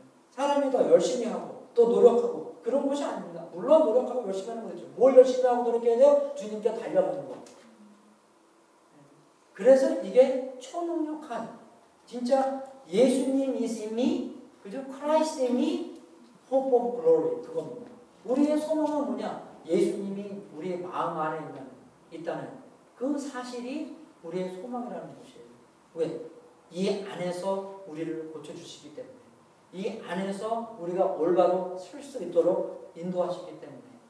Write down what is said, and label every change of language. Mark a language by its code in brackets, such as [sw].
[ko] 사람이 더 열심히 하고 또 노력하고 그런 것이 아닙니다. 물론 노력하고 열심히 하는 거겠죠. 뭘 열심히 하고 노력해야 돼요? 주님께 달려가는 거. 그래서 이게 초능력한, 진짜 예수님 [en] is me, [ko] 그죠? [en] Christ in me, hope of glory. [ko] 그겁니다. 우리의 소망은 뭐냐? 예수님이 우리의 마음 안에 있다는 그 사실이 우리의 소망이라는 것이에요. 왜? 이 안에서 우리를 고쳐주시기 때문에, 이 안에서 우리가 올바로 설 수 있도록 인도하시기 때문에.